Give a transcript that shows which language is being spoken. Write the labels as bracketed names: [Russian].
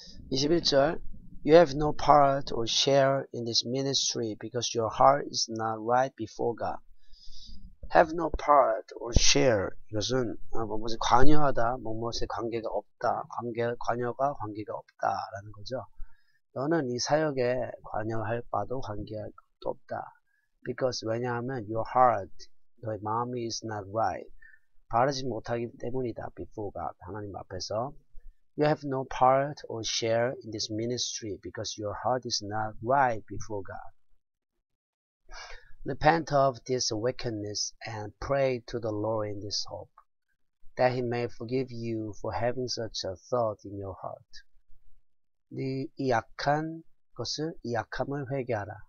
[Korean] 21절, [English] You have no part or share in this ministry because your heart is not right before God. Have no part or share. [Korean] 이것은 무엇에 관여하다, 무엇에 관계가 없다, 관여가 관계가 없다 라는 거죠. 너는 이 사역에 관여할 바도 관계할 것도 없다. [English] Because [Korean] 왜냐하면 [English] your heart, [Korean] 너의 마음이 [English] is not right. [Korean] 바르지 못하기 때문이다. [English] Before God, [Korean] 하나님 앞에서. [English] You have no part or share in this ministry because your heart is not right before God. Repent of this wickedness and pray to the Lord in this hope, that He may forgive you for having such a thought in your heart. [Korean] 네 이 악한 것을, 이 악함을 회개하라.